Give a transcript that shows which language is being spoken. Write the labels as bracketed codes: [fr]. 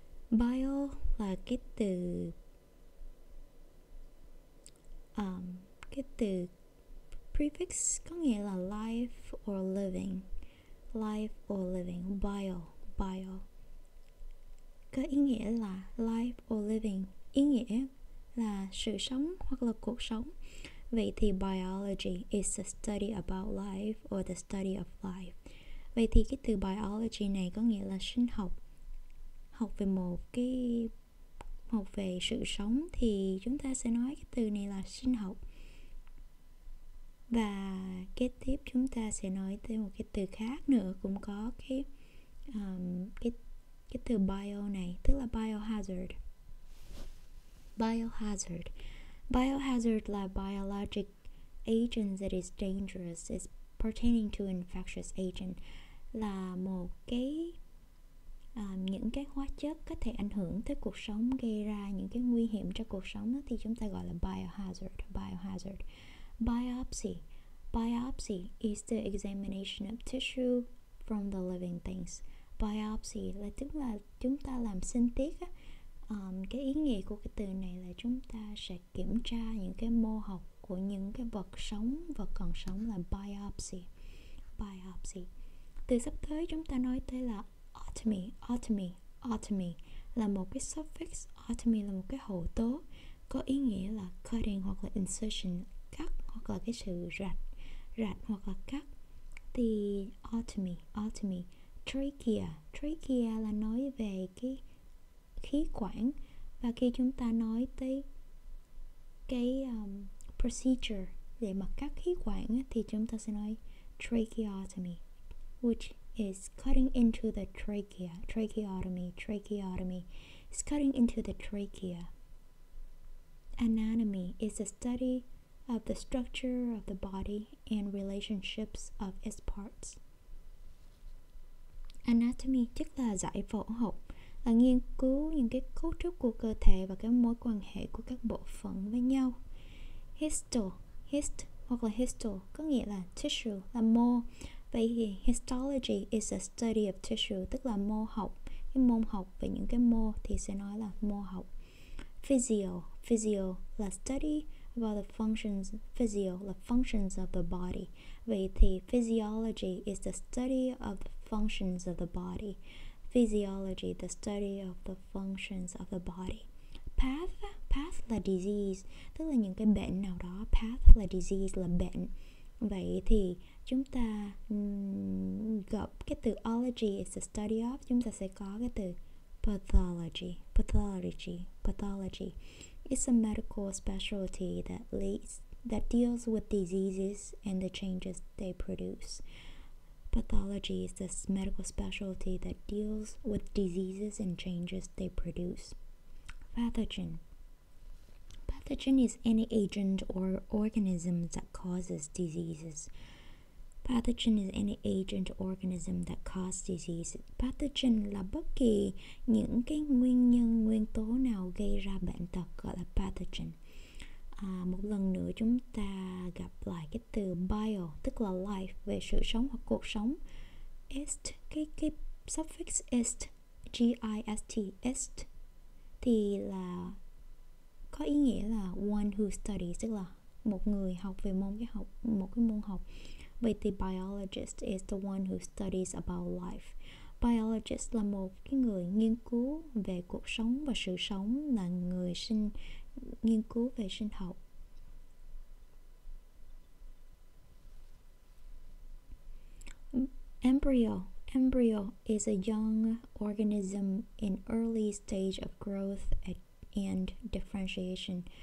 [vi] Bio là cái từ prefix có nghĩa là [en] life or living. Life or living. [vi] Bio có ý nghĩa là [en] life or living, [vi] ý nghĩa là sự sống hoặc là cuộc sống. Vậy thì [en] biology is the study about life or the study of life. [vi] Vậy thì cái từ biology này có nghĩa là sinh học, học về một cái, học về sự sống, thì chúng ta sẽ nói cái từ này là sinh học. Và kế tiếp chúng ta sẽ nói tới một cái từ khác nữa, cũng có cái từ bio này, tức là biohazard. Biohazard. Biohazard là [en] biologic agent that is dangerous, is pertaining to infectious agent, [vi] là một cái những cái hóa chất có thể ảnh hưởng tới cuộc sống, gây ra những cái nguy hiểm cho cuộc sống đó, thì chúng ta gọi là biohazard. [en] Biohazard. Biopsy. Biopsy is the examination of tissue from the living things. [vi] Biopsy là tức là chúng ta làm sinh tiết á. Cái ý nghĩa của cái từ này là chúng ta sẽ kiểm tra những cái mô học của những cái vật sống, vật còn sống, là biopsy. Biopsy. Từ sắp tới chúng ta nói tới là otomy. Otomy. Otomy là một cái suffix. Otomy là một cái hậu tố có ý nghĩa là cutting hoặc là incision, cắt hoặc là cái sự rạch, rạch hoặc là cắt. Thì otomy. Otomy. Trachea. Trachea là nói về cái khí quản, và khi chúng ta nói tới cái procedure để mà cắt khí quản thì chúng ta sẽ nói tracheotomy, [en] which is cutting into the trachea. Tracheotomy. Tracheotomy is cutting into the trachea. Anatomy is the study of the structure of the body and relationships of its parts. [vi] Anatomy tức là giải phẫu học, là nghiên cứu những cái cấu trúc của cơ thể và cái mối quan hệ của các bộ phận với nhau. Histo, hist hoặc là histo có nghĩa là tissue, là mô. Vậy thì [en] histology is a study of tissue, [vi] tức là mô học, cái môn học về những cái mô, thì sẽ nói là mô học. Physio, physio là study [en] và the functions, physio, the functions of the body. [vi] Vậy thì [en] physiology is the study of the functions of the body. Physiology, the study of the functions of the body. [vi] Path, path là disease, tức là những cái bệnh nào đó. Path là disease, là bệnh. Vậy thì chúng ta gặp cái từ [en] ology is the study of, [vi] chúng ta sẽ có cái từ pathology. [en] Pathology, pathology. It's a medical specialty that leads, that deals with diseases and the changes they produce. Pathology is the medical specialty that deals with diseases and changes they produce. Pathogen. Pathogen is any agent or organism that causes diseases. Pathogen is any agent or organism that causes disease. [vi] Pathogen là bất kỳ những cái nguyên nhân, nguyên tố nào gây ra bệnh tật, gọi là pathogen. Một lần nữa chúng ta gặp lại cái từ bio, tức là life, về sự sống hoặc cuộc sống. Ist, cái suffix ist, G-I-S-T, ist, thì là có ý nghĩa là [en] one who studies, [vi] tức là một người học về môn cái học, một cái môn học. Vậy thì [en] biologist is the one who studies about life. [vi] Biologist là một cái người nghiên cứu về cuộc sống và sự sống, là người sinh nghiên cứu về sinh học. [en] Embryo. Embryo is a young organism in early stage of growth and differentiation.